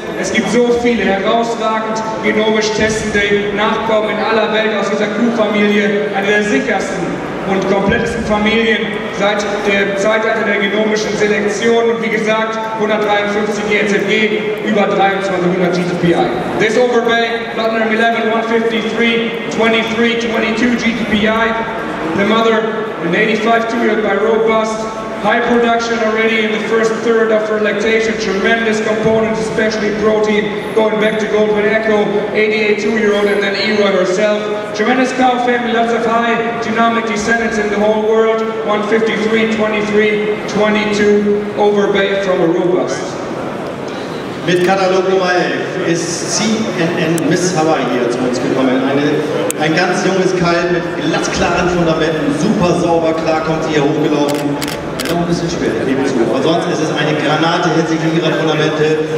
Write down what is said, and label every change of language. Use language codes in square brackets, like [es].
[de] Es gibt so viele herausragend genomisch testende Nachkommen in aller Welt aus dieser Crew-Familie, eine der sichersten und komplettesten Familien seit dem Zeitalter der genomischen Selektion und wie gesagt 153 EZG, über 2300 GTPI. [en] This overbay, lot number 11, 153, 23, 22 GTPI. The mother, an 85-2-year-old by robust, high production already in the first third of her lactation, tremendous components, especially protein, going back to Goldwyn Echo, 88-2-year-old, and then Eroy herself. Tremendous cow family, lots of high genomic descendants in the whole world, 153, 23, 22, overbay from a robust. [de] Mit Katalog Nummer 11 ist CNN Miss Hawaii hier zu uns gekommen. Ein ganz junges Kalb mit glasklaren Fundamenten, super sauber, klar kommt sie hier hochgelaufen. Ist ein bisschen schwer, liebe Zuhörer. Sonst ist es eine Granate hinsichtlich ihrer Fundamente.